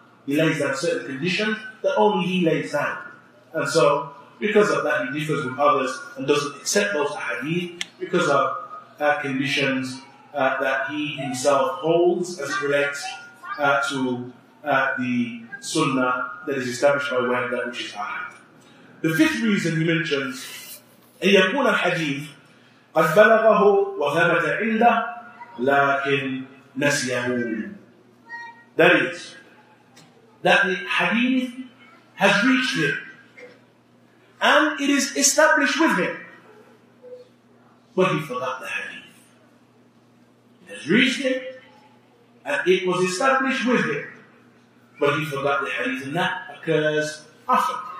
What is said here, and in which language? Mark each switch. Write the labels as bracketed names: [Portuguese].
[English] He lays down certain conditions that only he lays down. And so, because of that, he differs with others and doesn't accept those ahadith because of conditions that he himself holds as it relates to the sunnah that is established by way of that which is ahad. The fifth reason he mentions, [Arabic] أن يكون الحديث قد بلغه وثبت عنده لكن نسيه. [English] That is, that the hadith has reached him and it is established with him, but he forgot the hadith. It has reached him and it was established with him, but he forgot the hadith, and that occurs often.